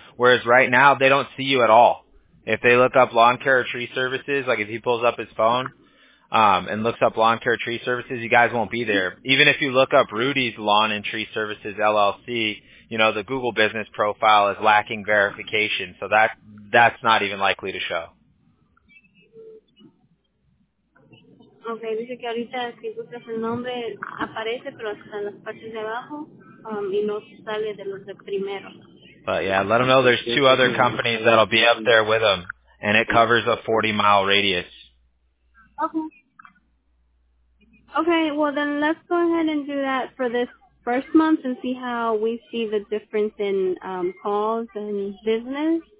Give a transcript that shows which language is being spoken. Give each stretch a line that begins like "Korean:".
English: Whereas right now, they don't see you at all. If they look up lawn care or tree services, like if he pulls up his phone and looks up lawn care tree services, you guys won't be there. Even if you look up Rudy's Lawn and Tree Services LLC, you know, the Google business profile is lacking verification. So that's not even likely to show.
Spanish: Okay, dice que ahorita si buscas el nombre aparece, pero hasta en las partes de abajo y no sale de los de primero.
English: But yeah, let them know there's two other companies that'll be up there with them, and it covers a 40-mile radius. Okay, well then let's go ahead and do that for this first month and see how we see the difference in calls and business.